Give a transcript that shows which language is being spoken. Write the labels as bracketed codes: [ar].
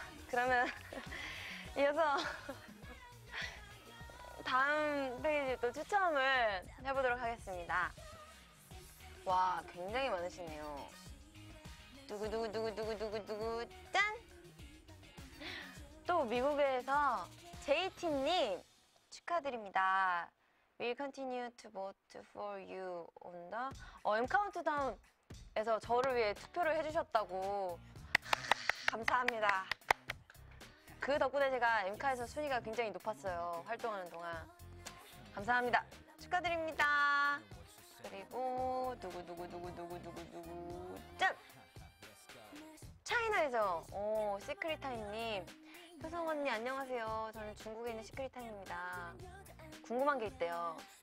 [ko] 그러면 이어서 다음 페이지 또 추첨을 해보도록 하겠습니다. 와, 굉장히 많으시네요. 두구두구두구두구두구두구, 짠! 또 미국에서 JT님 축하드립니다. [en] We'll continue to vote for you on the M-Countdown에서 [ko] 저를 위해 투표를 해주셨다고 감사합니다. 그 덕분에 제가 M-Countdown에서 순위가 굉장히 높았어요. 활동하는 동안 감사합니다. 축하드립니다. 그리고 두구두구두구두구두구두구 짠! 차이나에서 시크릿타임님 효성 언니 안녕하세요. 저는 중국에 있는 시크릿타임입니다. 궁금한 게 있대요.